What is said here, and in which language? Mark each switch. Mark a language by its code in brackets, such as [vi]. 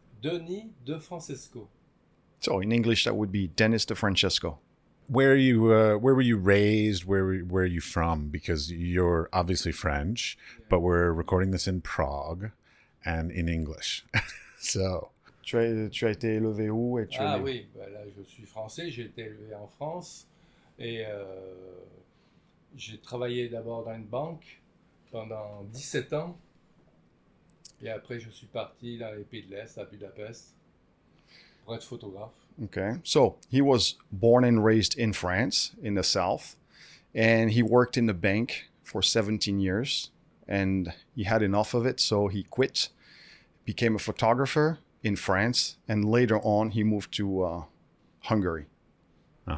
[en] Denis Defrancesco. So in English, that would be Denis Defrancesco. Where are you? Where were you raised? Where are you from? Because you're obviously French, yeah. But we're recording this in Prague, and in English. So. [fr] Tu as été élevé où et tu es? Ah oui, ben là je suis français. J'ai été élevé en France et j'ai travaillé d'abord dans une banque pendant 17 ans. Et après je suis parti dans les pays de l'Est, à Budapest, pour être photographe. [en] Okay, so he was born and raised in France, in the south, and he worked in the bank for 17 years, and he had enough of it, so he quit, became a photographer in France, and later on he moved to Hungary, uh-huh.